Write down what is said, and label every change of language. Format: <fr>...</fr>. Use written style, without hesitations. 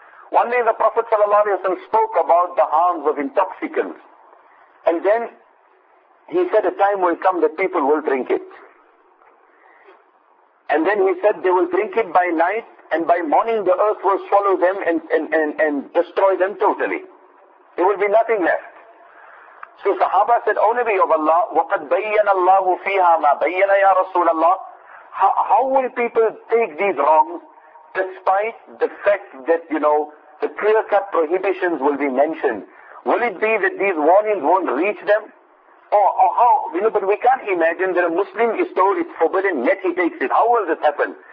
<en>One day the Prophet sallallahu alaihi wasallam spoke about the harms of intoxicants and then he said a time will come that people will drink it. And then he said they will drink it by night and by morning the earth will swallow them and destroy them totally. There will be nothing left. So Sahaba said, O Nabi of Allah,</en> <ar>وَقَدْ بَيَّنَ اللَّهُ فِيهَا مَا بَيَّنَ يَا رَسُولَ اللَّهِ.</ar> <en>How will people take these wrongs despite the fact that, you know, the clear-cut prohibitions will be mentioned? Will it be that these warnings won't reach them? Or how? You know, but we can't imagine that a Muslim is told it's forbidden, yet he takes it. How will this happen?</en>